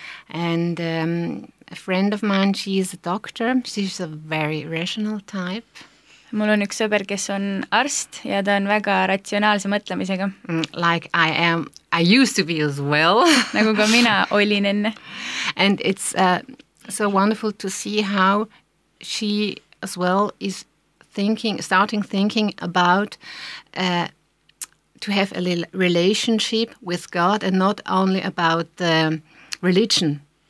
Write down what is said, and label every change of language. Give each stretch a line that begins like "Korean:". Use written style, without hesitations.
English: And a friend of mine, she is a doctor. She's a very rational type.
Estonian: Mul on 1 sõber, kes on arst ja ta on väga ratsionaalse mõtlemisega.
English: Like I am, I used to be as well.
Estonian: Nagu ka mina olin enne.
English: And it's so wonderful to see how she as well is starting thinking about to have a little relationship with God and not only about the religion.